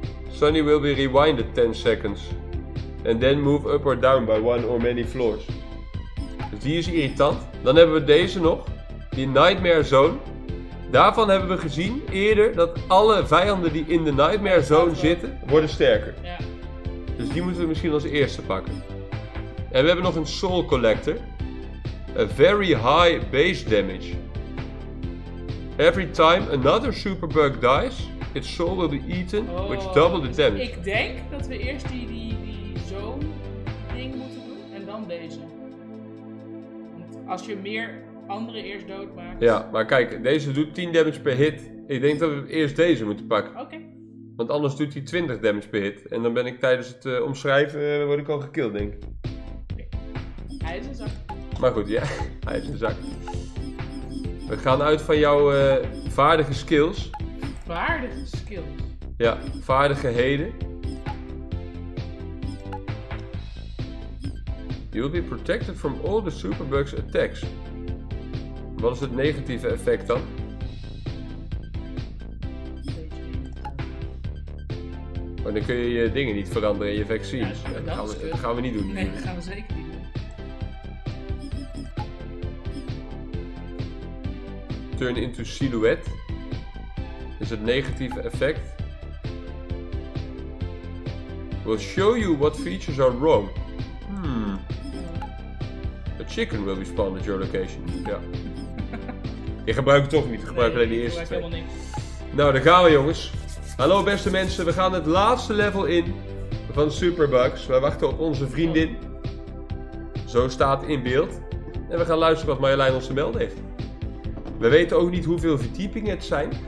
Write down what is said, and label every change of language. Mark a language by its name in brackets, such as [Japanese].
[English] Sunny will be rewinded 10 seconds. And then move up or down by one or many floors. [Dutch] Dus die is irritant. Dan hebben we deze nog. Die Nightmare Zone. Daarvan hebben we gezien eerder dat alle vijanden die in de Nightmare Zone zitten, worden sterker. Ja. Dus die moeten we misschien als eerste pakken. En we hebben nog een Soul Collector. [English] A very high base damage. Every time another superbug dies, its soul will be eaten, which double the damage. [Dutch] Dus ik denk dat we eerst die zone ding moeten doen en dan deze. Als je meer... andere eerst doodmaken. Ja, maar kijk, deze doet 10 damage per hit. Ik denk dat we eerst deze moeten pakken. Oké. Okay. Want anders doet hij 20 damage per hit. En dan ben ik tijdens het omschrijven, word ik al gekild, denk ik. Nee. Hij is een zak. Maar goed, ja, hij is een zak. We gaan uit van jouw vaardige skills. Vaardige skills? Ja, vaardige heden. [English] You'll be protected from all the superbugs attacks. [Dutch] Wat is het negatieve effect dan? Maar dan kun je je dingen niet veranderen in je vaccins. Ja, dat gaan we, niet doen. Nee, dat gaan we zeker niet doen. [English] Turn into silhouette. [Dutch] Is het negatieve effect. [English] We'll show you what features are wrong. A chicken will be spawned at your location. [Dutch] Ja. Ik gebruik het toch niet, ik gebruik alleen de eerste twee. Nou, daar gaan we jongens. Hallo beste mensen, we gaan het laatste level in van Superbugs. Wij wachten op onze vriendin. Zo staat in beeld. En we gaan luisteren wat Marjolein ons te melden heeft. We weten ook niet hoeveel verdiepingen het zijn.